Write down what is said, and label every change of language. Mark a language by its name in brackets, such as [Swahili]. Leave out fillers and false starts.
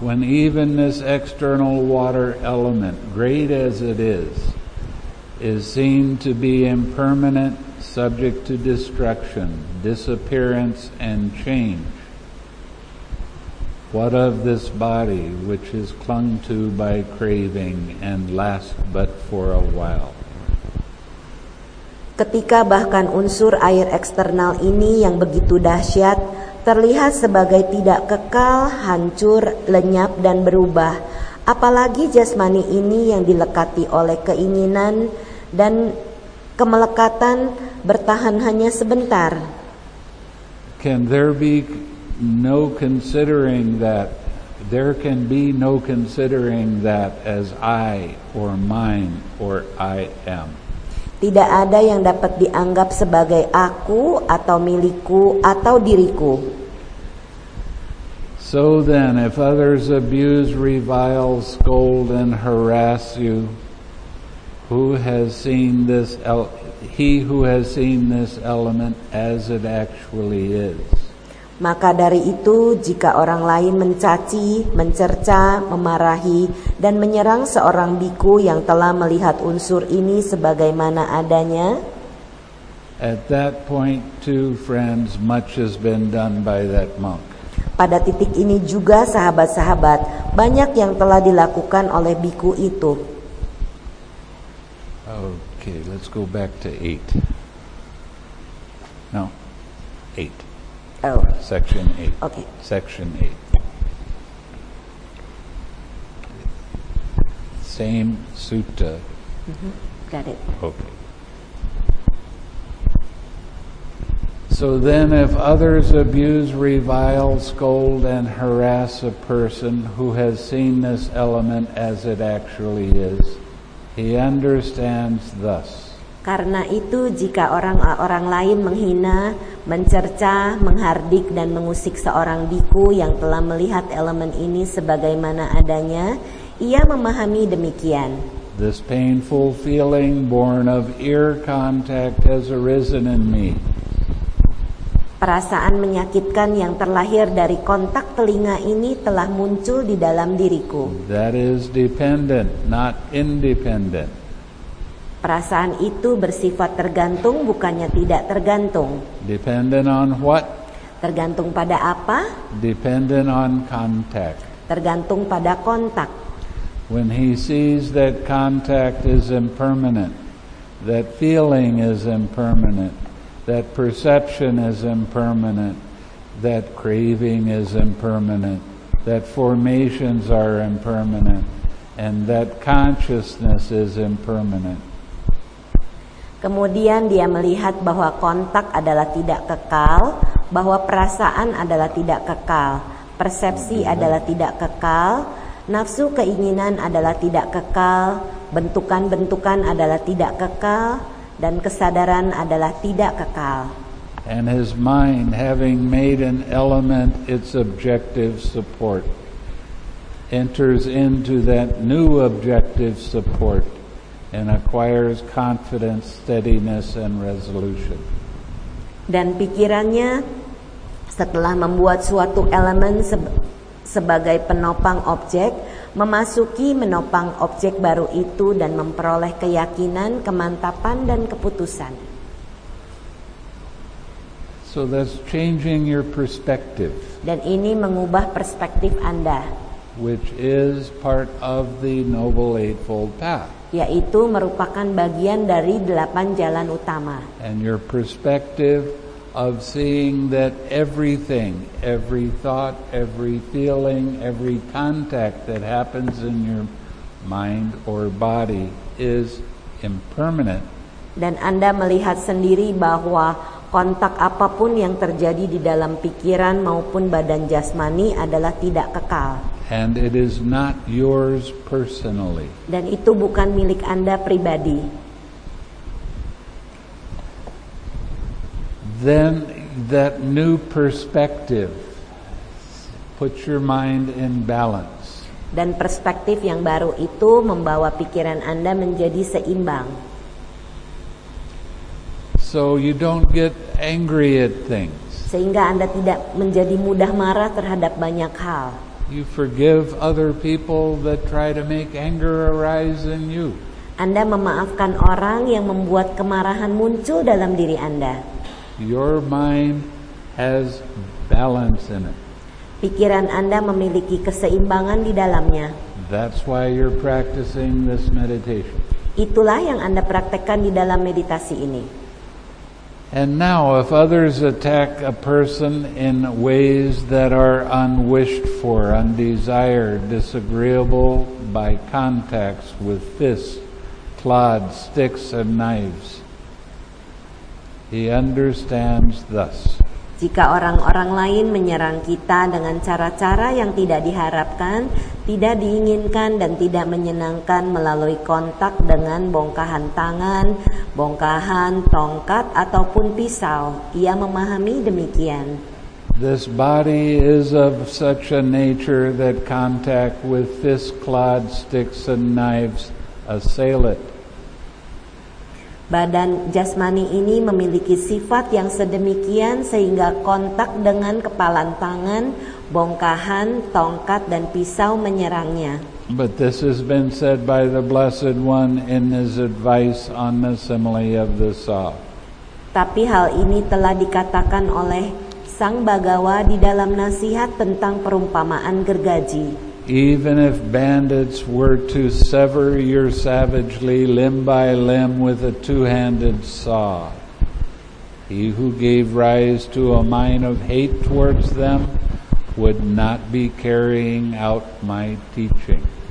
[English] When even this external water element, great as it is seen to be impermanent, subject to destruction, disappearance, and change, what of this body which is clung to by craving and lasts but for a while? [Indonesian] Ketika bahkan unsur air eksternal ini yang begitu dahsyat terlihat sebagai tidak kekal, hancur, lenyap, dan berubah, apalagi jasmani ini yang dilekati oleh keinginan dan kemelekatan bertahan hanya sebentar. [English] Can there be no considering that? There can be no considering that as I or mine or I am. [Indonesian] Tidak ada yang dapat dianggap sebagai aku atau milikku atau diriku. [English] So then, if others abuse, revile, scold, and harass you, who has seen this he who has seen this element as it actually is? [Indonesian] Maka dari itu, jika orang lain mencaci, mencerca, memarahi, dan menyerang seorang biku yang telah melihat unsur ini sebagaimana adanya, [English] at that point too, friends, much has been done by that monk. [Indonesian] Pada titik ini juga, sahabat-sahabat, banyak yang telah dilakukan oleh biku itu. [English] Okay, let's go back to 8. No, 8. Oh. Section 8. Okay. Section 8. Same sutta. Mm-hmm. Got it. Okay. So then, if others abuse, revile, scold, and harass a person who has seen this element as it actually is, he understands thus. [Indonesian] Karena itu, jika orang-orang lain menghina, mencerca, menghardik, dan mengusik seorang biku yang telah melihat elemen ini sebagaimana adanya, ia memahami demikian. [English] This painful feeling born of ear contact has arisen in me. [Indonesian] Perasaan menyakitkan yang terlahir dari kontak telinga ini telah muncul di dalam diriku. [English] That is dependent, not independent. [Indonesian] Perasaan itu bersifat tergantung, bukannya tidak tergantung. [English] Dependent on what? [Indonesian] Tergantung pada apa? [English] Dependent on contact. [Indonesian] Tergantung pada kontak. [English] When he sees that contact is impermanent, that feeling is impermanent, that perception is impermanent, that craving is impermanent, that formations are impermanent, and that consciousness is impermanent. [Indonesian] Kemudian dia melihat bahwa kontak adalah tidak kekal, bahwa perasaan adalah tidak kekal, persepsi adalah tidak kekal, nafsu keinginan adalah tidak kekal, bentukan-bentukan adalah tidak kekal, dan kesadaran adalah tidak kekal. [English] And his mind, having made an element its objective support, enters into that new objective support and acquires confidence, steadiness, and resolution. [Indonesian] Dan pikirannya setelah membuat suatu elemen sebagai penopang objek, memasuki menopang objek baru itu dan memperoleh keyakinan, kemantapan, dan keputusan. [English] So that's changing your perspective. [Indonesian] Dan ini mengubah perspektif Anda. [English] Which is part of the Noble Eightfold Path. [Indonesian] Yaitu merupakan bagian dari delapan jalan utama. [English] And your perspective of seeing that everything, every thought, every feeling, every contact that happens in your mind or body is impermanent. [Indonesian] Dan Anda melihat sendiri bahwa kontak apapun yang terjadi di dalam pikiran maupun badan jasmani adalah tidak kekal. [English] And it is not yours personally. [Indonesian] Dan itu bukan milik Anda pribadi. [English] Then that new perspective puts your mind in balance. [Indonesian] Dan perspektif yang baru itu membawa pikiran Anda menjadi seimbang. [English] So you don't get angry at things. [Indonesian] Sehingga Anda tidak menjadi mudah marah terhadap banyak hal. [English] You forgive other people that try to make anger arise in you. [Indonesian] Anda memaafkan orang yang membuat kemarahan muncul dalam diri Anda. [English] Your mind has balance in it. [Indonesian] Pikiran Anda memiliki keseimbangan di dalamnya. [English] That's why you're practicing this meditation. [Indonesian] Itulah yang Anda praktekkan di dalam meditasi ini. [English] And now, if others attack a person in ways that are unwished for, undesired, disagreeable by contacts with fists, clods, sticks, and knives, he understands thus. [Indonesian] Jika orang-orang lain menyerang kita dengan cara-cara yang tidak diharapkan, tidak diinginkan, dan tidak menyenangkan melalui kontak dengan bongkahan tangan, bongkahan, tongkat, ataupun pisau, ia memahami demikian. [English] This body is of such a nature that contact with fists, clods, sticks, and knives assail it. [Indonesian] Badan jasmani ini memiliki sifat yang sedemikian sehingga kontak dengan kepalan tangan, bongkahan, tongkat, dan pisau menyerangnya. [English] But this has been said by the Blessed One in his advice on the simile of the saw. [Indonesian] Tapi hal ini telah dikatakan oleh Sang Bhagawa di dalam nasihat tentang perumpamaan gergaji. [English] Even if bandits were to sever your savagely limb by limb with a two-handed saw, he who gave rise to a mind of hate towards them would not be carrying out my teaching.